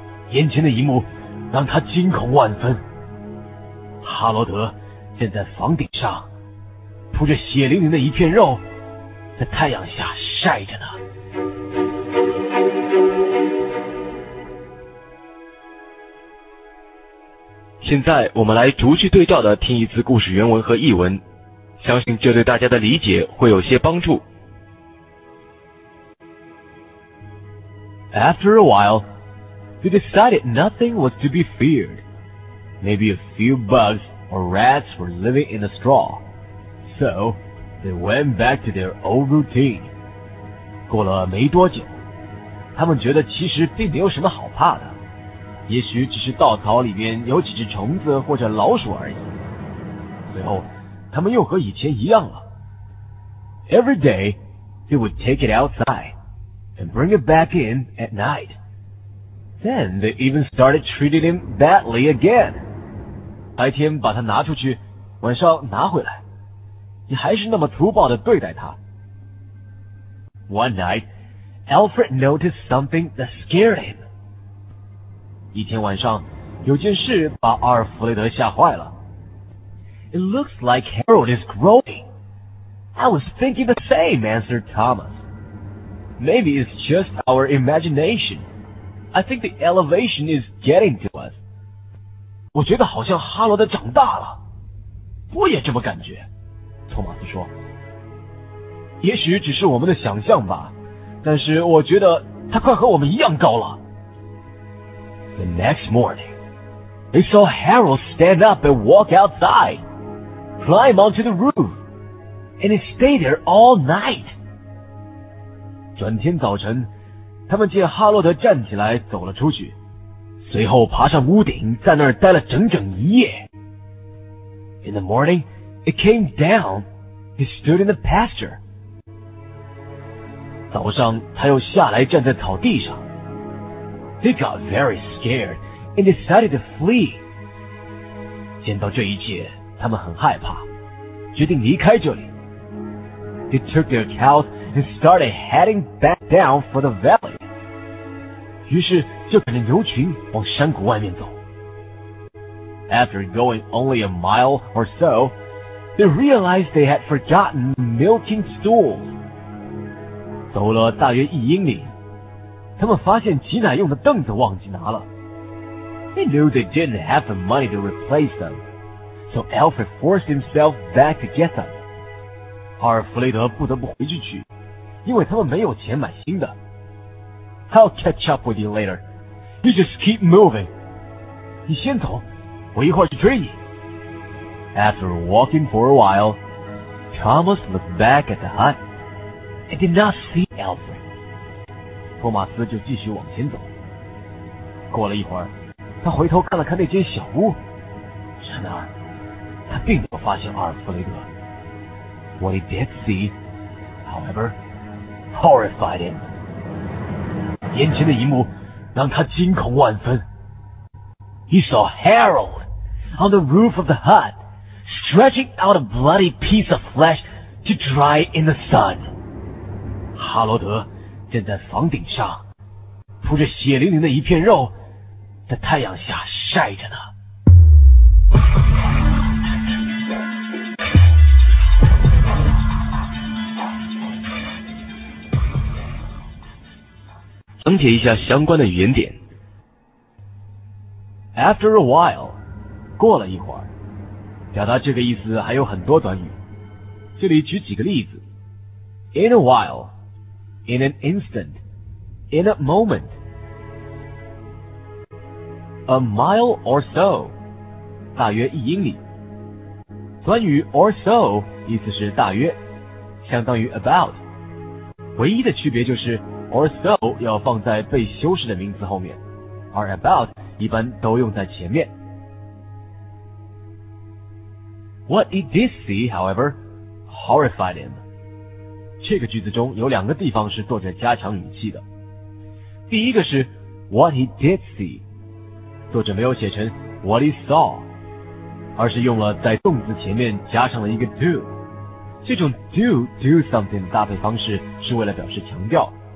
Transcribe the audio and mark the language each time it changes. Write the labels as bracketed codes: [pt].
[zh] 眼前的一幕让他惊恐万分。哈罗德站在房顶上，铺着血淋淋的一片肉，在太阳下晒着呢。现在我们来逐句对照的听一次故事原文和译文，相信这对大家的理解会有些帮助。 [en] After a while, they decided nothing was to be feared. Maybe a few bugs or rats were living in the straw. So, they went back to their old routine. [zh] 过了没多久，他们觉得其实并没有什么好怕的。也许只是稻草里面有几只虫子或者老鼠而已。随后，他们又和以前一样了。 [en] Every day, they would take it outside and bring it back in at night. Then they even started treating him badly again. [zh] 白天把它拿出去，晚上拿回来，你还是那么粗暴地对待它。 [en] One night, Alfred noticed something that scared him. [zh] 一天晚上，有件事把阿尔弗雷德吓坏了。 [en] It looks like Harold is growing. I was thinking the same, answered Thomas. Maybe it's just our imagination. I think the elevation is getting to us. [zh] 我觉得好像哈罗德长大了。我也这么感觉，托马斯说。也许只是我们的想象吧，但是我觉得他快和我们一样高了。 [en] The next morning, they saw Harold stand up and walk outside, climb onto the roof, and he stayed there all night. [zh] 转天早晨，他们见哈罗德站起来走了出去，随后爬上屋顶，在那儿待了整整一夜。 [en] In the morning, it came down. He stood in the pasture. [zh] 早上，他又下来站在草地上。 [en] He got very scared and decided to flee. [zh] 见到这一切，他们很害怕，决定离开这里。 [en] He took their cows and started heading back down for the valley. [zh] 于是就赶着牛群往山谷外面走。 [en] After going only a mile or so, they realized they had forgotten milking stools. [zh] 走了大约一英里，他们发现挤奶用的凳子忘记拿了。 [en] They knew they didn't have the money to replace them, so Alfred forced himself back to get them. [zh] 阿尔弗雷德不得不回去取，因为他们没有钱买新的。 [en] I'll catch up with you later. You just keep moving. [zh] 你先走。我一会儿去追你。 [en] After walking for a while, Thomas looked back at the hut and did not see Alfred. [zh] 托马斯就继续往前走。过了一会儿，他回头看了看那间小屋，然而他并没有发现阿尔弗雷德。 [en] What he did see, however, horrified him. [zh] 眼前的一幕让他惊恐万分。 [en] He saw Harold. On the roof of the hut, stretching out a bloody piece of flesh to dry in the sun. [zh] 哈罗德站在房顶上，铺着血淋淋的一片肉，在太阳下晒着呢。讲解一下相关的语言点。 [en] After a while, [zh] 过了一会儿，表达这个意思还有很多短语。这里举几个例子 [en] ：in a while, in an instant, in a moment, a mile or so, [zh] 大约一英里。短语 or so 意思是大约，相当于 about。唯一的区别就是 or so 要放在被修饰的名词后面，而 about 一般都用在前面。 [en] What he did see, however, horrified him. [zh] 这个句子中有两个地方是作者加强语气的。第一个是 [en] what he did see, [zh] 作者没有写成 [en] what he saw, [zh] 而是用了在动词前面加上了一个 do。这种 do something 的搭配方式是为了表示强调。